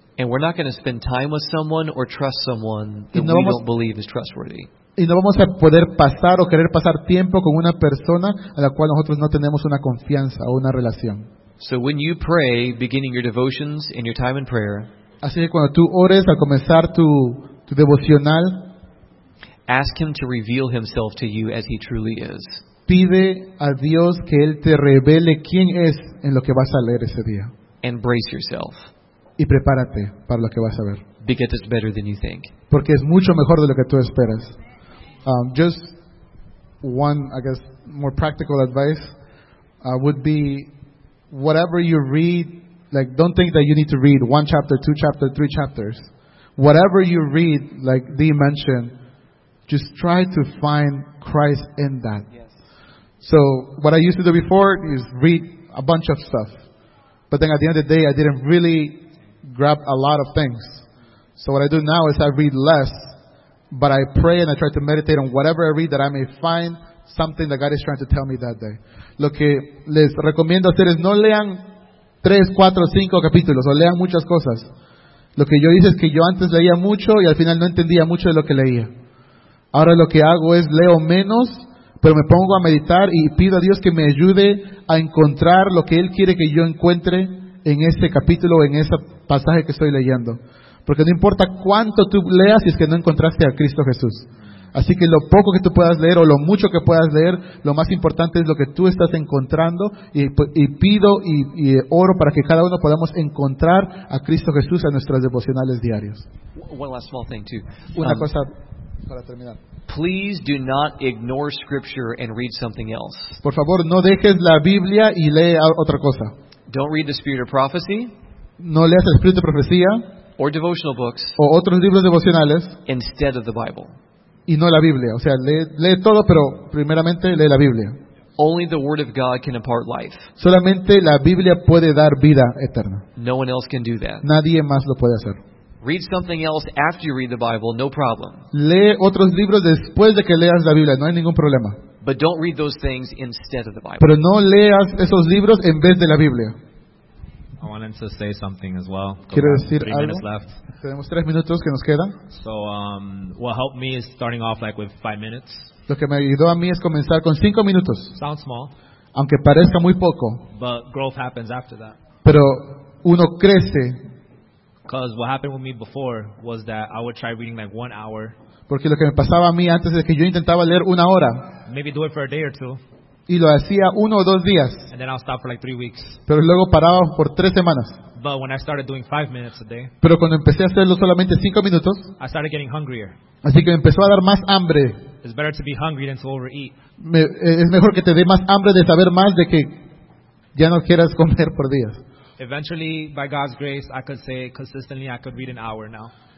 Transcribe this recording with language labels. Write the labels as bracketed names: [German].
[English] And we're not going to spend time with someone or trust someone that we don't believe is trustworthy. [Spanish] Y no vamos a poder pasar o querer pasar tiempo con una persona a la cual nosotros no tenemos una confianza o una relación. [English] So when you pray, beginning your devotions and your time in prayer, [Spanish] así que cuando tú ores al comenzar tu devocional, [English] ask him to reveal himself to you as he truly is. [Spanish] Pide a Dios que él te revele quién es en lo que vas a leer ese día. [English] Embrace yourself. [Spanish] Y prepárate para lo que vas a ver. [English] Because it's better than you think. [Spanish] Porque es mucho mejor de lo que tú esperas. [English] Just one, I guess, more practical advice would be, whatever you read, like, don't think that you need to read one chapter, two chapters, three chapters. Whatever you read, like Dee mentioned, just try to find Christ in that. Yes. So what I used to do before is read a bunch of stuff. But then at the end of the day, I didn't really grab a lot of things. So what I do now is I read less, but I pray and I try to meditate on whatever I read that I may find something that God is trying to tell me that day. [Spanish] Lo que les recomiendo hacer es no lean 3, 4, 5 capítulos o lean muchas cosas. Lo que yo hice es que yo antes leía mucho y al final no entendía mucho de lo que leía. Ahora lo que hago es leo menos, pero me pongo a meditar y pido a Dios que me ayude a encontrar lo que Él quiere que yo encuentre en ese capítulo o en ese pasaje que estoy leyendo. Porque no importa cuánto tú leas si es que no encontraste a Cristo Jesús. Así que lo poco que tú puedas leer o lo mucho que puedas leer, lo más importante es lo que tú estás encontrando y pido y oro para que cada uno podamos encontrar a Cristo Jesús en nuestros devocionales diarios. [English] One last small thing too. [Spanish] Una cosa para terminar. [English] Please do not ignore scripture and read something else. [Spanish] Por favor, no dejes la Biblia y lee otra cosa. [English] Don't read the spirit of prophecy. [Spanish] No leas el espíritu de profecía. [English] Or devotional books. [Spanish] O otros libros devocionales. [English] Instead of the Bible. [Spanish] Y no la Biblia, o sea, lee todo, pero primeramente lee la Biblia. [English] Only the word of God can impart life. [Spanish] Solamente la Biblia puede dar vida eterna. [English] No one else can do that. [Spanish] Nadie más lo puede hacer. [English] Read something else after you read the Bible, no problem. [Spanish] Lee otros libros después de que leas la Biblia, no hay ningún problema. [English] But don't read those things instead of the Bible. [Spanish] Pero no leas esos libros en vez de la Biblia. [English] I wanted to say something as well. [Spanish] Quiero decir algo. [English] Minutes left. [Spanish] Tenemos tres minutos que nos quedan. [English] So, what helped me is starting off like with 5 minutes. [Spanish] Lo que me ayudó a mí es comenzar con 5 minutos. [English] Sounds small. [Spanish] Aunque parezca muy poco. [English] But growth happens after that. [Spanish] Pero uno crece. [English] Because what happened with me before was that I would try reading like 1 hour. [Spanish] Porque lo que me pasaba a mí antes es que yo intentaba leer 1 hora. [English] Maybe do it for a day or two. [Spanish] Y lo hacía 1 o 2 días. [English] And then I'll stop for like 3 weeks. [Spanish] Pero luego paraba por 3 semanas. [English] But when I started doing 5 minutes a day, [Spanish] pero cuando empecé a hacerlo solamente 5 minutos, [English] I started getting hungrier. [Spanish] Así que me empezó a dar más hambre. [English] It's better to be hungry than to overeat. [Spanish] Es mejor que te dé más hambre de saber más de que ya no quieras comer por días. [English] Eventually, by God's grace, I could say consistently I could read an hour now.